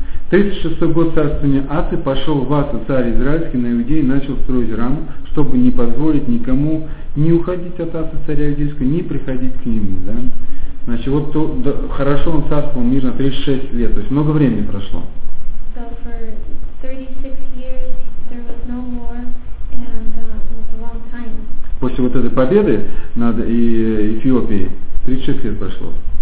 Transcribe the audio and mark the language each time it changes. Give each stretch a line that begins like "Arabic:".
Russian: 36-й год царствования Асы пошел в Аса, царь израильский, на Иудей, и начал строить раму, чтобы не позволить никому ни уходить от Асы, царя иудейского, ни приходить к нему. Да? Значит, вот то, да, хорошо он царствовал мирно 36 лет, то есть много времени прошло.
English: So for 36 years there was no war and it was a long time.
Russian: После вот этой победы над Эфиопией 36 лет прошло.